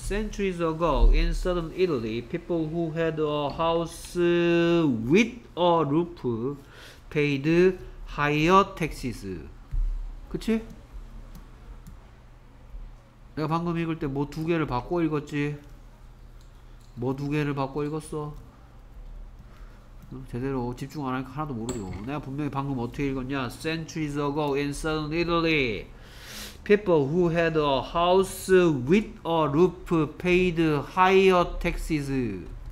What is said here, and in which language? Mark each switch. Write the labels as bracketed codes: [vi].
[en] Centuries ago, in southern Italy, people who had a house with a roof paid higher taxes. [ko] 그치? 내가 방금 읽을 때 뭐 두 개를 바꿔 읽었지? 뭐 두 개를 바꿔 읽었어? 제대로 집중 안 하니까 하나도 모르죠. 내가 분명히 방금 어떻게 읽었냐? [en] Centuries ago, in southern Italy. People who had a house with a roof paid higher taxes.